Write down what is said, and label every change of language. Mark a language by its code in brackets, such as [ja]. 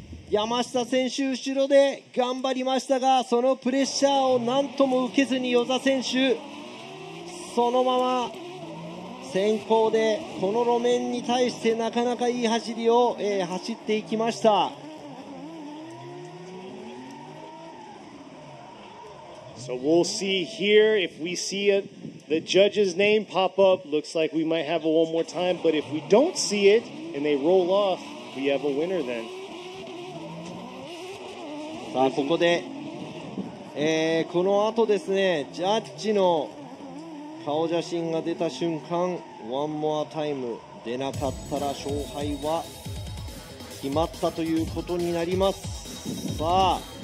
[ja] 山下選手後ろで頑張りましたが、そのプレッシャーをなんとも受けずに Yoza 選手。そのまま先行でこの路面に対してなかなかいい走りを、走っていきました [en] So we'll see here if we see it, the judge's name pop up looks like we might have a one more time but if we don't see it and they roll off we have a winner then [ja] さあここで、この後ですねジャッジの顔写真が出た瞬間ワンモアタイム出なかったら勝敗は決まったということになりますさあ